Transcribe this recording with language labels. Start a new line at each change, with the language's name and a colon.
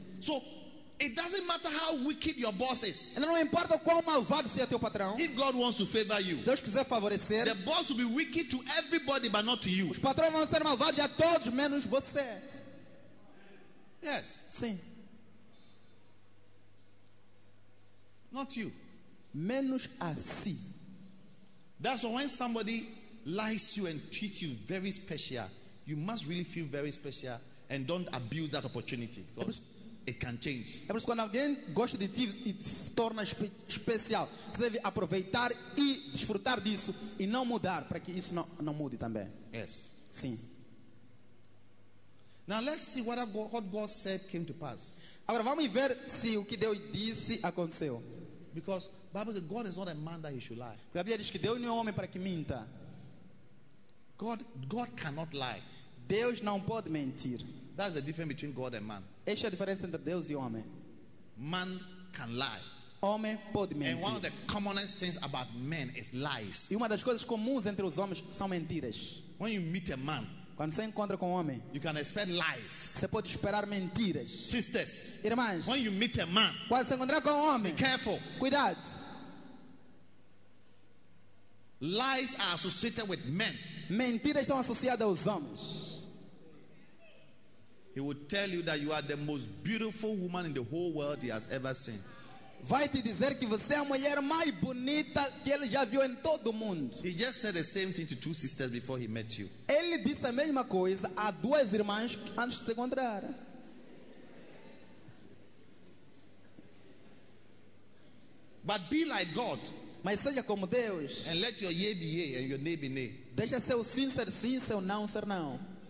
English: So it doesn't matter how wicked your boss is.
Portuguese: Não importa quão malvado seja teu patrão.
English: If God wants to favor you,
Portuguese: Deus quiser favorecer,
English: the boss will be wicked to everybody but not to you.
Portuguese: Os patrões vão ser malvados a todos menos você.
English: Yes.
Portuguese: Sim.
English: Not you.
Portuguese: Menos a si.
English: That's why when somebody likes you and treats you very special, you must really feel very special and don't abuse that opportunity. It can change.
Portuguese: É por isso quando alguém gosta de ti, e te torna especial. Você deve aproveitar e desfrutar disso e não mudar para que isso não mude também.
English: Yes.
Portuguese: Sim.
English: Now let's see what God said came to pass.
Portuguese: Agora vamos ver se o que Deus disse aconteceu.
English: Because Bible says God is not a man that he should lie.
Portuguese: Porque a Bíblia diz que Deus não é homem para que minta.
English: God cannot lie.
Portuguese: Deus não pode mentir.
English: That's the difference between God and man.
Portuguese: Essa é a diferença entre Deus e homem.
English: Man can lie.
Portuguese: Homem pode mentir.
English: And one of the commonest things about men is lies.
Portuguese: E uma das coisas comuns entre os homens são mentiras.
English: When you meet a man,
Portuguese: quando você encontra com um homem,
English: you can expect lies.
Portuguese: Você pode esperar mentiras.
English: Sisters,
Portuguese: irmãs,
English: when you meet a man,
Portuguese: quando você encontrar com um homem,
English: be careful.
Portuguese: Cuidado.
English: Lies are associated with men.
Portuguese: Mentiras estão associadas aos homens.
English: He will tell you that you are the most beautiful woman in the whole world he has ever seen.
Portuguese: Vai te dizer que você é a mulher mais bonita que ele já viu em todo o mundo.
English: He just said the same thing to two sisters before he met you.
Portuguese: Ele disse a mesma coisa a duas irmãs antes de se encontrar.
English: But be like God.
Portuguese: Mas seja como Deus.
English: And let your yea be yea and your nay be nay.
Portuguese: Deixa seu sim ser sim, seu não ser não.